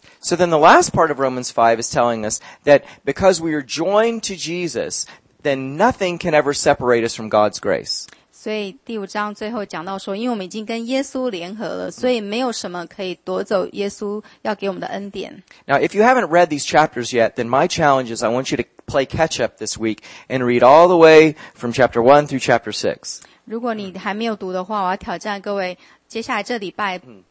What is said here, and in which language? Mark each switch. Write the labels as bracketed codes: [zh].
[en] So then the last part of Romans 5 is telling us that because we are joined to Jesus, then nothing can ever separate us from God's grace. [zh] 所以第五章最后讲到说，因为我们已经跟耶稣联合了，所以没有什么可以夺走耶稣要给我们的恩典。 [en] Now, if you haven't read these chapters yet, then my challenge is I want you to play catch up this week and read all the way from chapter 1 through chapter 6. [zh] 如果你还没有读的话，我要挑战各位接下来这礼拜